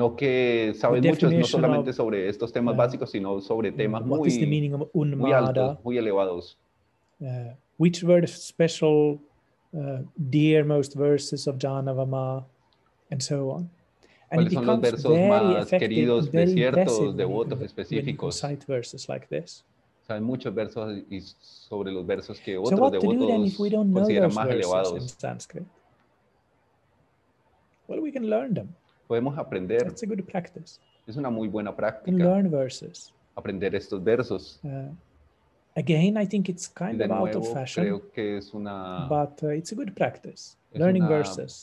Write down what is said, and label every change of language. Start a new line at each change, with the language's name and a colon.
Spanish: Sino que saben mucho, no solamente sobre estos temas básicos, sino sobre temas
English: what is the meaning of unmada,
Spanish: muy altos, muy elevados.
English: Which were the special, dearmost verses of Janavama, and so on. And it becomes very effective and very impressive when you cite verses like this.
Spanish: O sea, hay muchos versos y sobre los versos que otros devotos consideran más elevados.
English: So what to do then if we don't know those verses in Sanskrit? Well, we can learn them.
Spanish: Podemos aprender.
English: That's a good practice.
Spanish: Es una muy buena práctica.
English: And learn verses.
Spanish: Aprender estos versos.
English: Again, I think it's kind of out of fashion,
Spanish: creo que es una,
English: but it's a good practice, learning verses.